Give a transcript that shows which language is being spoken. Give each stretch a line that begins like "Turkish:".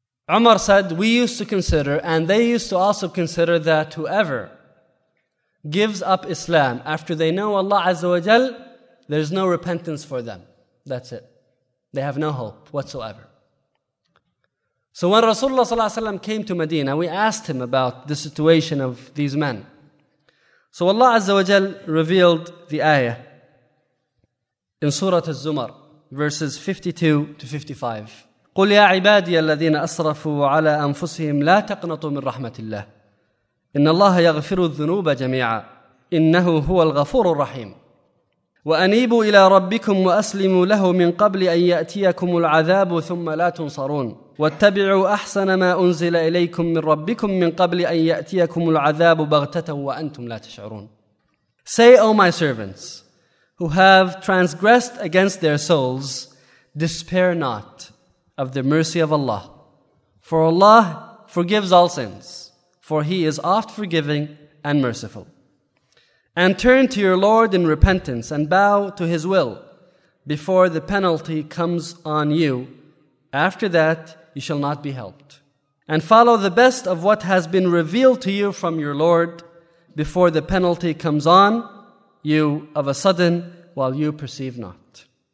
English: Umar said, "We used to consider, and they used to also consider, that whoever gives up Islam after they know Allah Azza wa Jal, there's no repentance for them. That's it. They have no hope whatsoever." So when Rasulullah Sallallahu Alaihi Wasallam came to Medina, we asked him about the situation of these men. So Allah Azza wa Jal revealed the ayah in Surah Az-Zumar, verses 52 to 55.
Arabic: قُلْ يَا عِبَادِيَ الَّذِينَ أَسْرَفُوا عَلَىٰ أَنفُسِهِمْ لَا تَقْنَطُوا مِنْ رَحْمَةِ اللَّهِ إِنَّ اللَّهَ يَغْفِرُ الذُّنُوبَ جَمِيعًا إِنَّهُ هُوَ الْغَفُورُ الرَّحِيمُ وَأَنِيبُوا إِلَى رَبِّكُمْ وَأَسْلِمُوا لَهُ مِنْ قَبْلِ أَنْ يَأْتِيَكُمُ الْعَذَابُ ثُمَّ لَا تُنْصَرُونَ وَاتَّبِعُوا أَحْسَنَ مَا أُنْزِلَ إِلَيْكُمْ مِنْ رَبِّكُمْ مِنْ قَبْلِ أَنْ يَأْتِيَكُمُ الْعَذَابُ بَغْتَةً وَأَنْتُمْ لَا تَشْعُرُونَ
English: Say, O my servants, who have transgressed against their souls, despair not of the mercy of Allah. For Allah forgives all sins, for He is oft forgiving and merciful. And turn to your Lord in repentance and bow to His will before the penalty comes on you. After that, you shall not be helped. And follow the best of what has been revealed to you from your Lord before the penalty comes on you of a sudden while you perceive not.